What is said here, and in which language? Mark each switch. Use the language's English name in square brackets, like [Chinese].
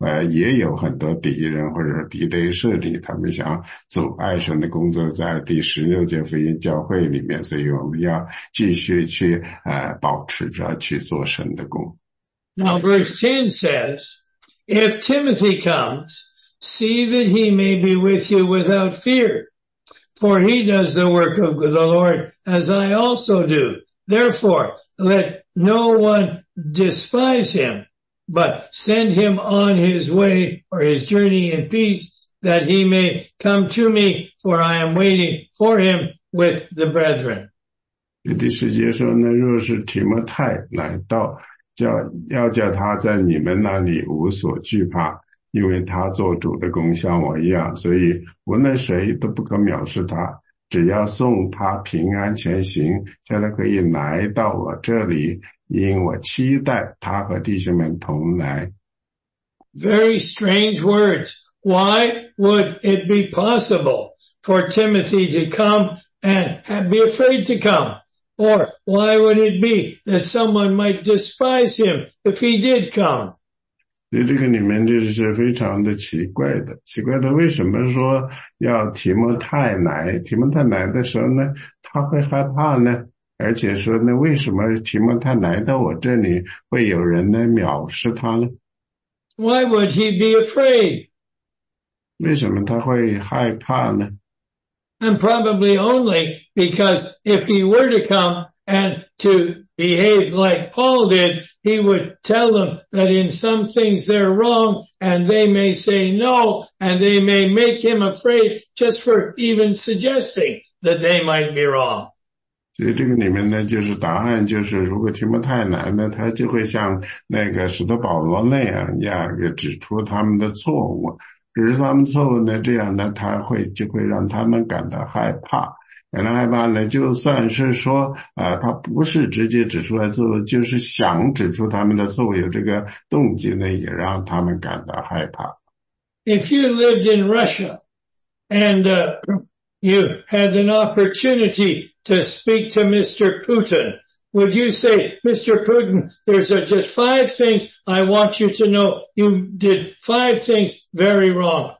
[Chinese] 也有很多敌人或者敌对势力，他们想阻碍神的工作在第十六届福音教会里面，所以我们要继续去保持着去做神的工。 [English] Now verse 10 says, If Timothy comes, see that he may be with you without fear, for he does the work of the Lord as I also do. Therefore, let no one despise him, but send him on his way or his journey in peace, that he may come to me, for I am waiting for him with the brethren. [Chinese] 第十节说呢，若是提摩太来到，要叫他在你们那里无所惧怕，因为他做主的工像我一样，所以无论谁都不可藐视他，只要送他平安前行，叫他可以来到我这里，因我期待他和弟兄们同来。 [English] Very strange words. Why would it be possible for Timothy to come and be afraid to comeOr why would it be that someone might despise him if he did come? [Chinese] 所以这个里面就是非常的奇怪的。奇怪的为什么说要提摩太来？提摩太来的时候呢，他会害怕呢？而且说呢，为什么提摩太来到我这里会有人呢藐视他呢？ [English] Why would he be afraid? [Chinese] 为什么他会害怕呢？ [English] And probably only because if he were to come and to behave like Paul did, he would tell them that in some things they're wrong and they may say no and they may make him afraid just for even suggesting that they might be wrong. [Chinese] 所以这个里面呢就是答案，就是如果提摩太来呢，他就会像那个使徒保罗那样呀，也指出他们的错误。只是他们错误呢，这样呢，他会就会让他们感到害怕，感到害怕呢，就算是说他不是直接指出来错误，就是想指出他们的错误，有这个动机呢，也让他们感到害怕。 [English] If you lived in Russia and you had an opportunity to speak to Mr. Putin, would you say, Mr. Putin, there's just five things I want you to know. You did five things very wrong.